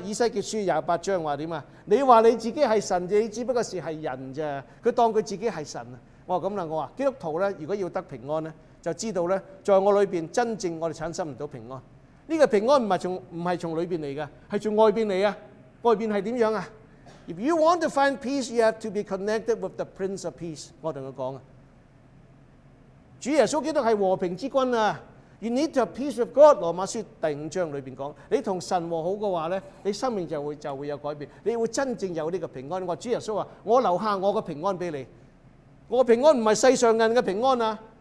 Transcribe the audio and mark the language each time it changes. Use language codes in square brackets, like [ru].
[zh] 以西结书28章说什么？你说你自己是神，你只不过是人而已，他当他自己是神。我说这样，我说基督徒如果要得平安，就知道在我里面真正我们产生不到平安。这个平安不是从里面来的，是从外面来的。外面是怎样？ [en] If you want to find peace, you have to be connected with the Prince of Peace. [zh] 我跟他说，主耶稣基督是和平之君啊。 [en] You need to have peace with God. [zh] 罗马书第五章里面说，你跟神和好的话，你生命就会有改变，你会真正有这个平安。主耶稣说，我留下我的平安给你，我的平安不是世上人的平安啊。